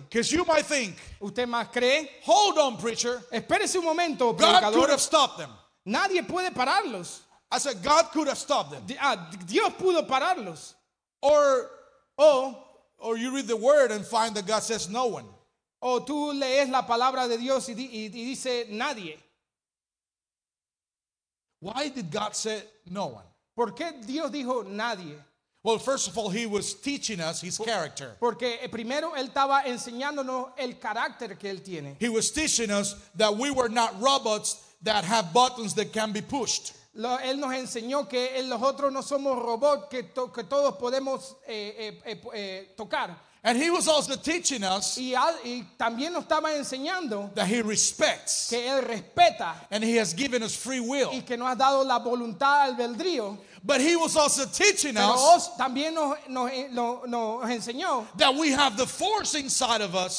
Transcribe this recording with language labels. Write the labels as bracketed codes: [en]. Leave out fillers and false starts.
[en] Because you might think, [es] usted más cree, [en] hold on, preacher. [es] Espérese un momento, predicador. [en] God could have stopped them. [es] Nadie puede pararlos. [en] I said, God could have stopped them. [es] Dios pudo pararlos. [en] Or you read the word and find that God says no one. [es] O tú lees la palabra de Dios y dice nadie. [en] Why did God say no one? [es] ¿Por qué Dios dijo nadie? [en] Well, first of all, he was teaching us his character. [es] Porque primero él estaba enseñándonos el carácter que él tiene. [en] He was teaching us that we were not robots that have buttons that can be pushed. [es] Él nos enseñó que nosotros no somos robots que todos podemos tocar. [en] And he was also teaching us, [es] y también nos estaba enseñando, [en] that he respects, [es] que él respeta, [en] and he has given us free will, [es] y que nos ha dado la voluntad albedrío. [en] But he was also teaching us, [es] también nos enseñó, [en] that we have the force inside of us,